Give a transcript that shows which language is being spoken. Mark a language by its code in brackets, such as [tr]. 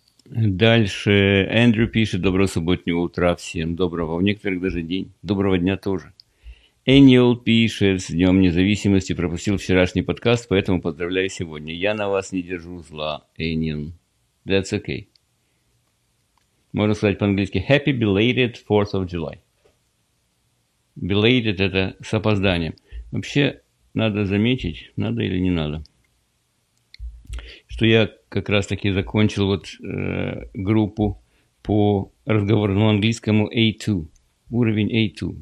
[ru] Дальше Эндрю пишет: доброго субботнего утра всем, доброго, в некоторых даже день, доброго дня тоже. Эниел пишет: с Днем Независимости, пропустил вчерашний подкаст, поэтому поздравляю сегодня. Я на вас не держу зла, Эниел. [en] That's okay. [ru] Можно сказать по-английски [en] Happy belated 4th of July. [ru] Belated – это с опозданием. Вообще, надо заметить, надо или не надо, что я как раз-таки закончил вот группу по разговорному английскому A2. Уровень A2.